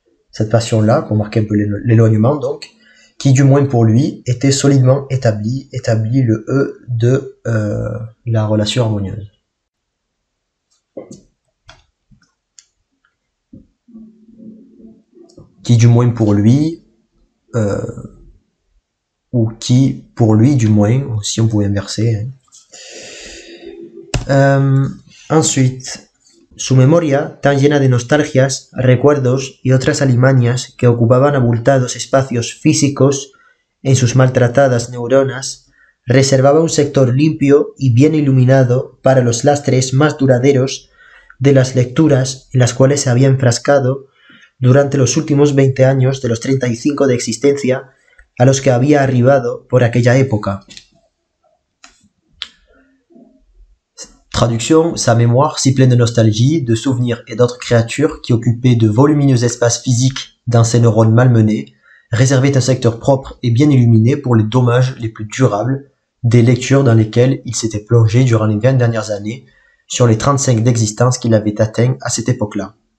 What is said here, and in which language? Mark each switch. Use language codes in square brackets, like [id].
[fr] Cette passion-là, pour marquer un peu l'éloignement, donc, qui du moins pour lui était solidement établie le E de la relation harmonieuse. Qui du moins pour lui, ou qui pour lui du moins, si on pouvait inverser. Hein. Ensuite. [es] Su memoria, tan llena de nostalgias, recuerdos y otras alimañas que ocupaban abultados espacios físicos en sus maltratadas neuronas, reservaba un sector limpio y bien iluminado para los lastres más duraderos de las lecturas en las cuales se había enfrascado durante los últimos 20 años de los 35 de existencia a los que había arribado por aquella época. [fr] Traduction, sa mémoire, si pleine de nostalgie, de souvenirs et d'autres créatures qui occupaient de volumineux espaces physiques dans ses neurones malmenés, réservait un secteur propre et bien illuminé pour les dommages les plus durables des lectures dans lesquelles il s'était plongé durant les 20 dernières années sur les 35 d'existence qu'il avait atteint à cette époque-là.